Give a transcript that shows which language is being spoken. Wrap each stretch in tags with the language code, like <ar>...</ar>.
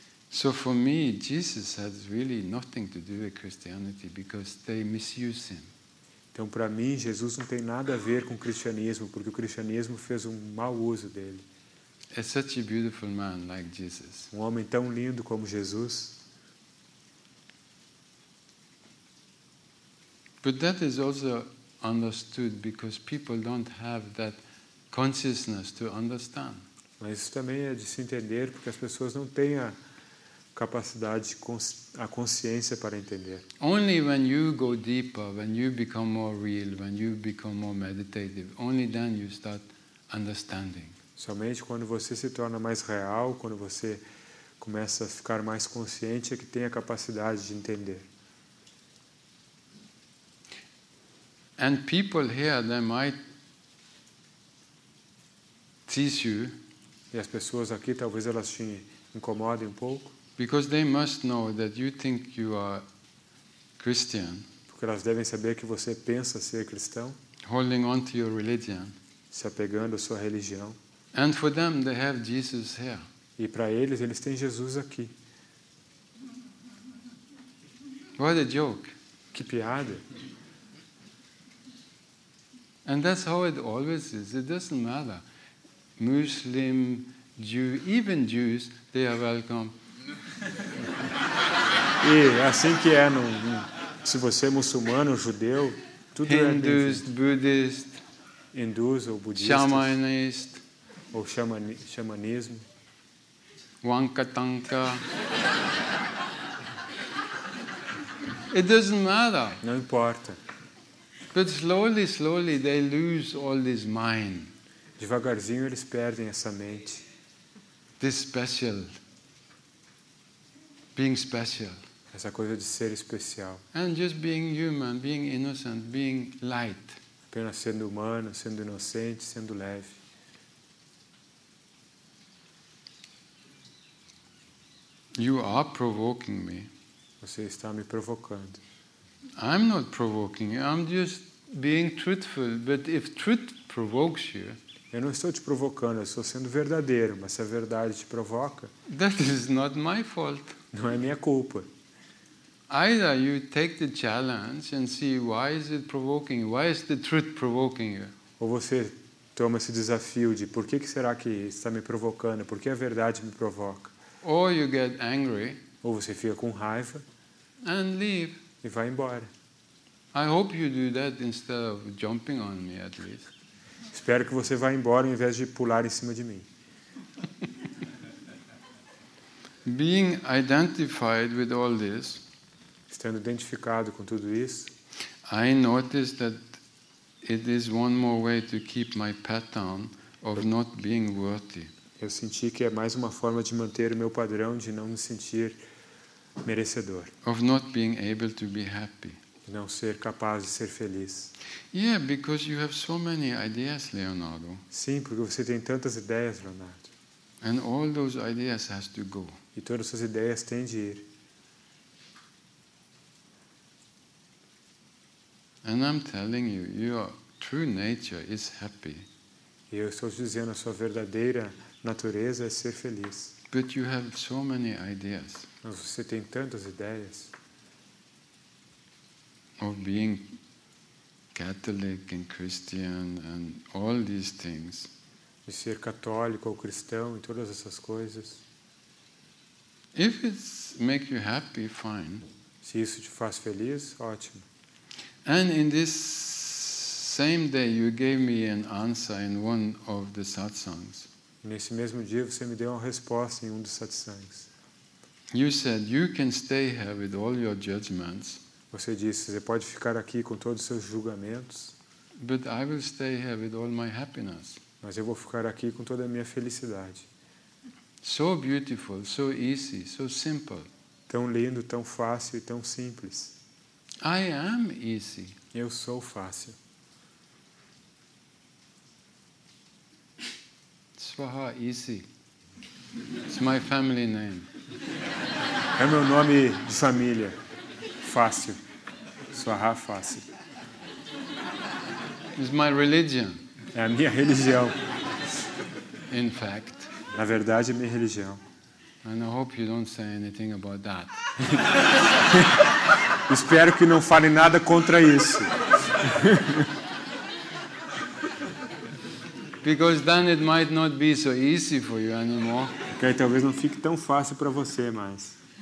<en>So for me, Jesus has really nothing to do with Christianity because they misuse him.</en> <pt>Então, para mim, Jesus não tem nada a ver com o cristianismo porque o cristianismo fez um mau uso dele.</pt> <en>A such a beautiful man like Jesus.</en> <pt>Um homem tão lindo como Jesus.</pt> <en>But that is also understood because people don't have that consciousness to understand.</en> <pt>Mas isso também é de se entender porque as pessoas não têm a capacidade, a consciência para entender.</pt> <en>Only when you go deeper, when you become more real, when you become more meditative, only then you start understanding.</en> <pt>Somente quando você se torna mais real, quando você começa a ficar mais consciente, é que tem a capacidade de entender.</pt> <en>And people here, they might tease you.</en> <pt>E as pessoas aqui, talvez elas te incomodem um pouco.</pt> <en>Because they must know that you think you are Christian.</en> <pt>Porque elas devem saber que você pensa ser cristão.</pt> <en>Holding on to your religion.</en> <pt>Se apegando à sua religião.</pt> <en>And for them, they have Jesus here.</en> <pt>E para eles, eles têm Jesus aqui.</pt> <en>What a joke!</en> <pt>Que piada!</pt> <en>And that's how it always is. It doesn't matter. Muslim, Jew, even Jews, they are welcome.</en> <pt>E assim que é, se você é muçulmano, judeu, tudo</pt> <en>Hindus,</en> <pt>é</pt> <en>Buddhist,</en> <pt>hindus ou budistas,</pt> <en>shamanist,</en> <pt>ou xamanismo, wankatanka.</pt> <en>It doesn't matter.</en> <pt>Não importa.</pt> <en>But slowly, slowly they lose all this mind.</en> <pt>Devagarzinho eles perdem essa mente.</pt> <en>This special. Being special.</en> <pt>Essa coisa de ser especial.</pt> <en>And just being human, being innocent, being light.</en> <pt>Apenas sendo humano, sendo inocente, sendo leve.</pt> <en>You are provoking me.</en> <pt>Você está me provocando.</pt> <en>I'm not provoking you. I'm just being truthful. But if truth provokes you.</en> <pt>Eu não estou te provocando, eu estou sendo verdadeiro. Mas se a verdade te provoca.</pt> <en>That is not my fault.</en> <pt>Não é minha culpa.</pt> <en>Either you take the challenge and see why is it provoking, why is the truth provoking you.</en> <pt>Ou você toma esse desafio de por que será que está me provocando, por que a verdade me provoca.</pt> <en>Or you get angry.</en> <pt>Ou você fica com raiva.</pt> <en>And leave.</en> <pt>E vai embora.</pt> <en>I hope you do that instead of jumping on me at least.</en> <pt>Espero que você vá embora em vez de pular em cima de mim.</pt> <en>Being identified with all this,</en> <pt>estando identificado com tudo isso,</pt> <en>I noticed that it is one more way to keep my pattern of not being worthy.</en> <pt>Eu senti que é mais uma forma de manter o meu padrão de não me sentir merecedor.</pt> <en>Of not being able to be happy.</en> <pt>não ser capaz de ser feliz.</pt> <en>Yeah, because you have so many ideas, Leonardo.</en> <pt>Sim, porque você tem tantas ideias, Leonardo.</pt> <en>And all those ideas has to go.</en> <pt>E todas essas ideias têm de ir.</pt> <en>And I'm telling you, your true nature is happy.</en> <pt>E eu estou te dizendo, a sua verdadeira natureza é ser feliz.</pt> <en>But you have so many ideas.</en> <pt>Mas você tem tantas ideias.</pt> <en>Of being Catholic and Christian and all these things.</en> <pt>De ser católico ou cristão e todas essas coisas.</pt> <en>If it makes you happy, fine.</en> <pt>Se isso te faz feliz, ótimo.</pt> <en>And in this same day, you gave me an answer in one of the satsangs.</en> <pt>Nesse mesmo dia, você me deu uma resposta em um dos satsangs.</pt> <en>You said you can stay here with all your judgments.</en> <pt>Você disse, você pode ficar aqui com todos os seus julgamentos.</pt> <en>But I will stay here with all my happiness.</en> <pt>Mas eu vou ficar aqui com toda a minha felicidade.</pt> <en>So beautiful, so easy, so simple.</en> <pt>Tão lindo, tão fácil e tão simples.</pt> <en>I am easy.</en> <pt>Eu sou fácil.</pt> <en>Swaha, easy. It's my family name.</en> <pt>É meu nome de família. Fácil. Swaha, fácil.</pt> <en>It's my religion.</en> <pt>É a minha religião.</pt> <en>In fact.</en> <pt>Na verdade, é minha religião.</pt> <en>And I hope you don't say anything about that.</en> <pt>Espero que não fale nada contra isso.</pt> <en>Because then it might not be so easy for you anymore.</en> <pt>Porque aí talvez não fique tão fácil para você mais.</pt>